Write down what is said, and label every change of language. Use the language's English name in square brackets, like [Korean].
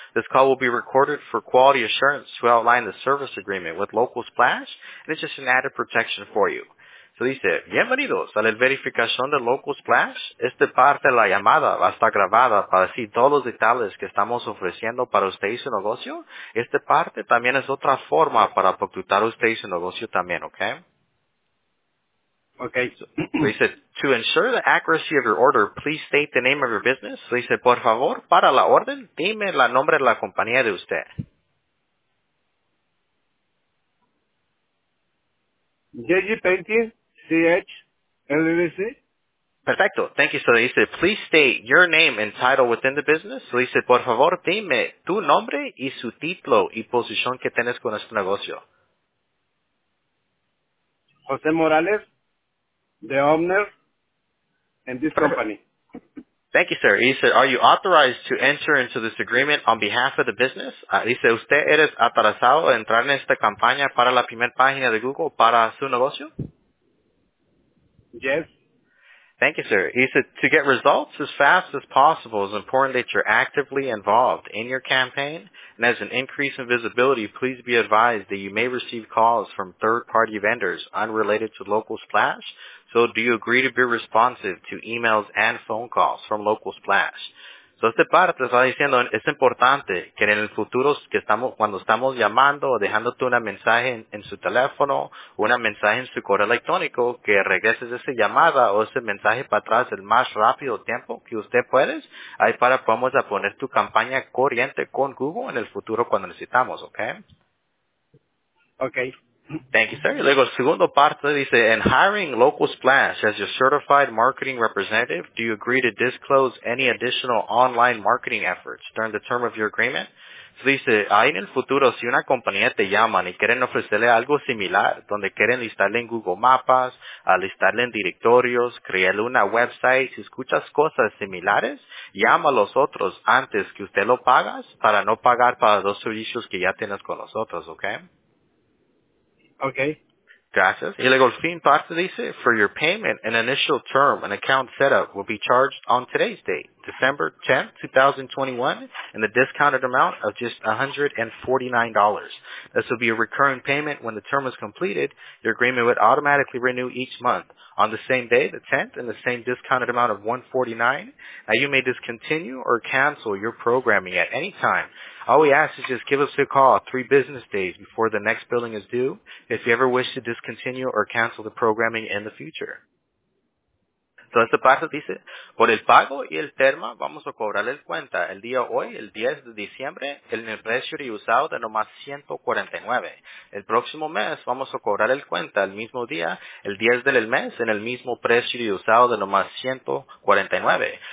[English] This call will be recorded for quality assurance to outline the service agreement with Local Splash. And it's just an added protection for you. [Spanish] Se dice, bienvenidos a la verificación de Local Splash. Esta parte de la llamada va a estar grabada para decir todos los detalles que estamos ofreciendo para usted y su negocio. Esta parte también es otra forma para facturar usted y su negocio también, ¿ok? Ok. Se dice, [English] to ensure the accuracy of your order, please state the name of your business. [Spanish] Se dice, por favor, para la orden, dime el nombre de la compañía de usted. [English] JG Painting, CH, LLC. [Spanish] Perfecto. [English] Thank you. So he said, please state your name and title within the business. So he said, [Spanish] por favor, dime tu nombre y su título y posición que tienes con este negocio. [English] José Morales, the owner and this company. Thank you, sir. He said, are you authorized to enter into this agreement on behalf of the business? [Spanish] Dice, ¿usted eres autorizado a entrar en esta campaña para la primera página de Google para su negocio? [English] Yes. Thank you, sir. He said, to get results as fast as possible, it's important that you're actively involved in your campaign. And as an increase in visibility, please be advised that you may receive calls from third-party vendors unrelated to Local Splash. So do you agree to be responsive to emails and phone calls from Local Splash? [Spanish] So esta parte está diciendo, es importante que en el futuro, que estamos, cuando estamos llamando o dejándote un mensaje en su teléfono, un mensaje en su correo electrónico, que regreses esa llamada o ese mensaje para atrás el más rápido tiempo que usted puede, ahí para podemos poner tu campaña corriente con Google en el futuro cuando necesitamos, ¿ok? Ok. [English] Thank you, sir. [Spanish] Luego, segundo parte dice, [English] in hiring Local Splash as your certified marketing representative, do you agree to disclose any additional online marketing efforts during the term of your agreement? [Spanish] So dice, ahí en el futuro, si una compañía te llama y quieren ofrecerle algo similar, donde quieren listarle en Google Maps, listarle en directorios, crearle una website, si escuchas cosas similares, llama a los otros antes que usted lo pagas para no pagar para los servicios que ya tienes con los otros, ¿ok? [English] Okay. [Spanish] Gracias. Y luego el fin parte dice, [English] for your payment, an initial term, an account setup will be charged on today's date, December 10, 2021, in the discounted amount of just $149. This will be a recurring payment when the term is completed. Your agreement would automatically renew each month on the same day, the 10th, in the same discounted amount of $149. Now you may discontinue or cancel your programming at any time. All we ask is just give us a call 3 business days before the next billing is due if you ever wish to discontinue or cancel the programming in the future. [Spanish] So esta parte dice, por el pago y el termo, vamos a cobrarle el cuenta el día hoy, el 10 de diciembre, en el precio reusado de nomás $149. El próximo mes, vamos a cobrar el cuenta el mismo día, el 10 del mes, en el mismo precio reusado de nomás $149.